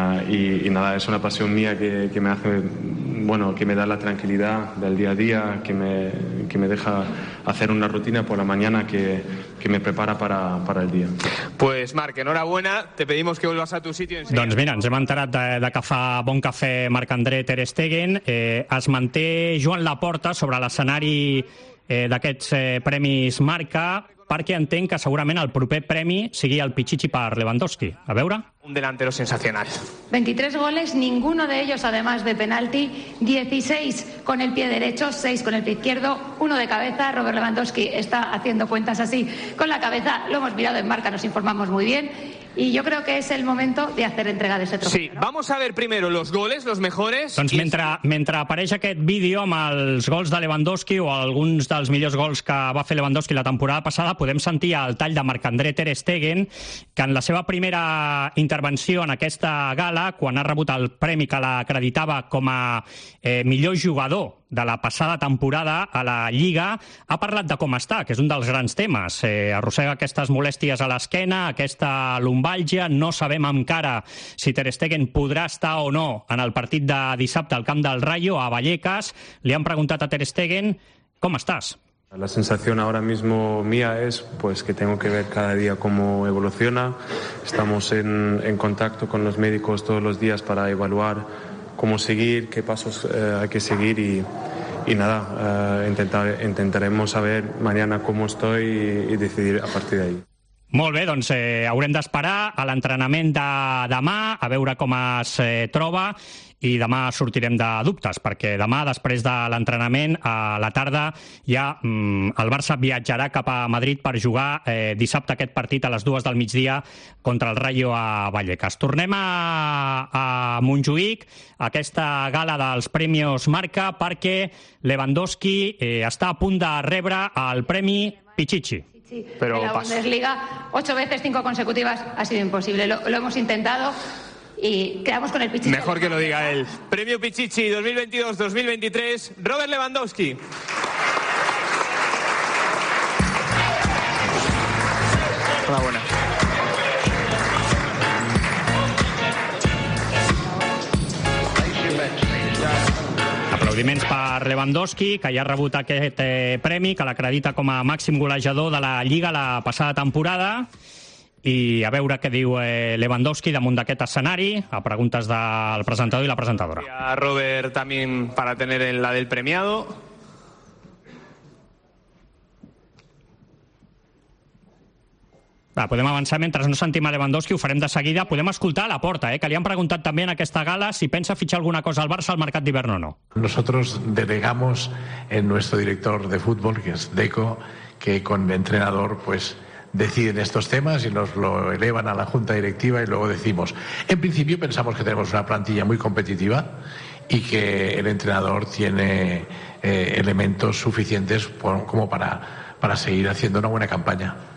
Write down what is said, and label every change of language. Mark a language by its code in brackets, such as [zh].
[es] Y nada, es una pasión mía que me hace, bueno, que me da la tranquilidad del día a día, que me deja hacer una rutina por la mañana que me prepara para el día. Pues Marc, enhorabuena, te pedimos que vuelvas a tu sitio. [ca] Doncs mira, ens hem enterat de que fa bon cafè Marc-André Ter Stegen. Es manté Joan Laporta sobre l'escenari d'aquests Premis Marca, perquè entenc que segurament el proper premi sigui el Pichichi per Lewandowski. A veure. [es] Un delantero sensacional. 23 goles, ninguno de ellos además de penalti. 16 con el pie derecho, 6 con el pie izquierdo, 1 de cabeza. Robert Lewandowski está haciendo cuentas así con la cabeza. Lo hemos mirado en Marca, nos informamos muy bien. Y yo creo que es el momento de hacer entrega de ese trofeo. Sí, ¿no? Vamos a ver primero los goles, los mejores. [ca] Doncs mentre apareix aquest vídeo amb els gols de Lewandowski o alguns dels millors gols que va fer Lewandowski la temporada passada, podem sentir el tall de Marc-André Ter Stegen, que en la seva primera intervenció en aquesta gala, quan ha rebut el premi que l'acreditava com a millor jugador de la passada temporada a la Lliga, ha parlat de com està, que és un dels grans temes. Arrossega aquestes molèsties a l'esquena, aquesta lumbàlgia. No sabem encara si Ter Stegen podrà estar o no en el partit de dissabte al camp del Rayo, a Vallecas. Li han preguntat a Ter Stegen com estàs. [es] La sensación ahora mismo mía es pues que tengo que ver cada día cómo evoluciona. Estamos en contacto con los médicos todos los días para evaluar cómo seguir, qué pasos hay que seguir y nada, intentaremos saber mañana cómo estoy y decidir a partir d'ahí. [ca] Molt bé, doncs haurem d'esperar a l'entrenament de demà a veure com es troba i demà sortirem de dubtes, perquè demà, després de l'entrenament, a la tarda, ja el Barça viatjarà cap a Madrid per jugar dissabte aquest partit a les 2 del migdia contra el Rayo a Vallecas. Tornem a Montjuïc, a aquesta gala dels Premis Marca, perquè Lewandowski està a punt de rebre el Premi Pichichi. [es] Sí, pero en la Bundesliga, 8 veces, 5 consecutivas, ha sido imposible. Lo hemos intentado y quedamos con el Pichichi. Mejor que lo diga él. Premio Pichichi 2022-2023, Robert Lewandowski. Hola, buenas. [ca] Aplaudiments per Lewandowski, que ja ha rebut aquest premi, que l'acredita com a màxim golejador de la Lliga la passada temporada. I a veure què diu Lewandowski damunt d'aquest escenari, a preguntes del presentador i la presentadora. [es] A Robert, també, per tenir la del premiado. [ca] Va, podem avançar mentre no sentim a Lewandowski, ho farem de seguida. Podem escoltar a Laporta, que li han preguntat també en aquesta gala si pensa fitxar alguna cosa al Barça al mercat d'hivern o no. [es] Nosotros delegamos en nuestro director de fútbol, que es Deco, que con el entrenador pues deciden estos temas y nos lo elevan a la junta directiva y luego decimos. En principio pensamos que tenemos una plantilla muy competitiva y que el entrenador tiene elementos suficientes como para seguir haciendo una buena campaña.